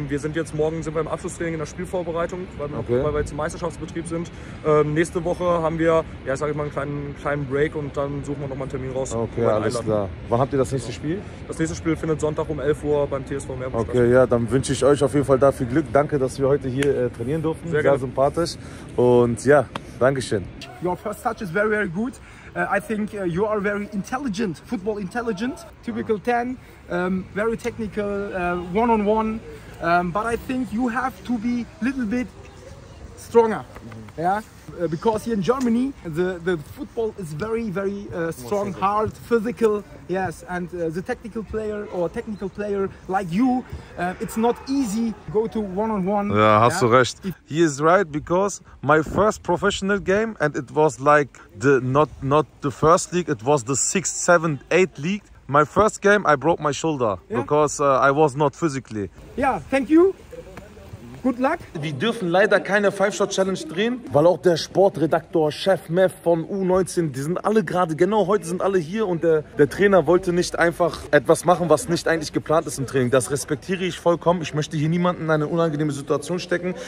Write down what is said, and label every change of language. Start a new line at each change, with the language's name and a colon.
German: Wir sind jetzt morgen beim Abschlusstraining in der Spielvorbereitung, weil wir jetzt im Meisterschaftsbetrieb sind. Nächste Woche haben wir, einen kleinen Break und dann suchen wir nochmal einen Termin raus. Okay, alles klar. Wann habt ihr das nächste Spiel? Das nächste Spiel findet Sonntag um 11 Uhr beim TSV Meerbusch. Okay, ja, dann wünsche ich euch auf jeden Fall da viel Glück. Danke, dass wir heute hier trainieren durften. Sehr, sehr sympathisch. Und ja, Dankeschön.
English: Your first touch is very, very good. I think you are very intelligent, football intelligent. Typical 10, very technical, one-on-one. But I think you have to be a little bit stronger. Mm-hmm. Yeah? Because here in Germany, the football is very, very strong, hard, physical, yes. And the technical player like you, it's not easy to go to one-on-one.
German: Ja, hast du recht.
English: He is right, because my first professional game, and it was like the not the first league, it was the 6th, 7th, 8th league. My first game, I broke my shoulder because I was not physically. Yeah, thank you. Good luck.
German: Wir dürfen leider keine Five-Shot-Challenge drehen, weil auch der Sportredaktor, Chef Mev von U19, die sind alle gerade, genau heute sind alle hier und der Trainer wollte nicht einfach etwas machen, was nicht eigentlich geplant ist im Training. Das respektiere ich vollkommen. Ich möchte hier niemanden in eine unangenehme Situation stecken.